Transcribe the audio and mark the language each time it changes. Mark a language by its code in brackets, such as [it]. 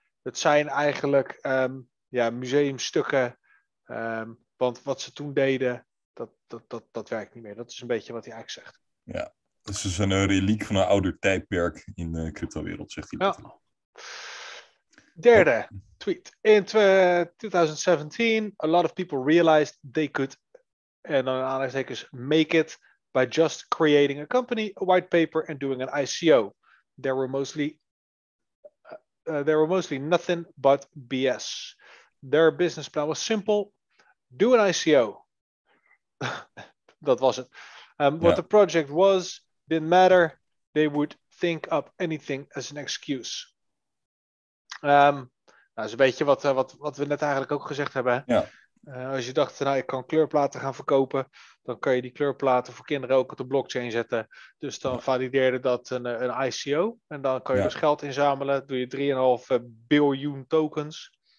[nl] Het zijn eigenlijk museumstukken, want wat ze toen deden, dat werkt niet meer. Dat is een beetje wat hij eigenlijk zegt. Ja, dus het is een reliek van een ouder tijdperk in de cryptowereld, zegt hij. Ja. Derde tweet. [en] In 2017, a lot of people realized they could, [nl] en dan aanhalingstekens, [en] make it by just creating a company, a white paper and doing an ICO. There were mostly nothing but BS. Their business plan was simple. Do an ICO. [nl] Dat was het. [en] What the project was, didn't matter. They would think up anything as an excuse. [nl] Dat is een beetje wat we net eigenlijk ook gezegd hebben. Ja. Als je dacht, nou, ik kan kleurplaten gaan verkopen, dan kan je die kleurplaten voor kinderen ook op de blockchain zetten. Dus dan valideerde dat een ICO. En dan kan je dus geld inzamelen. Doe je 3,5 biljoen tokens.